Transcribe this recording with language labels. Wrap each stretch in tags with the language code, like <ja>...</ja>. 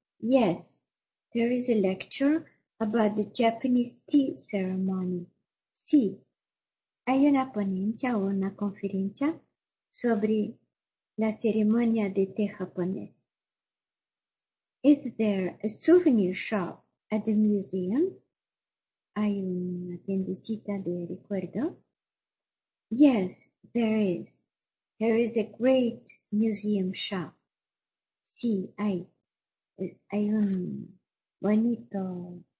<en>Yes, there is a lecture about the Japanese tea ceremony.</en> <es>Sí, hay una ponencia o una conferencia sobre la ceremonia de té japonés.</es> <en>Is there a souvenir shop at the museum?</en> <es>¿Hay una tiendecita de recuerdo?</es> <en>Yes, there is. There is a great museum shop.</en> <es>Sí, hay un bonito.</es>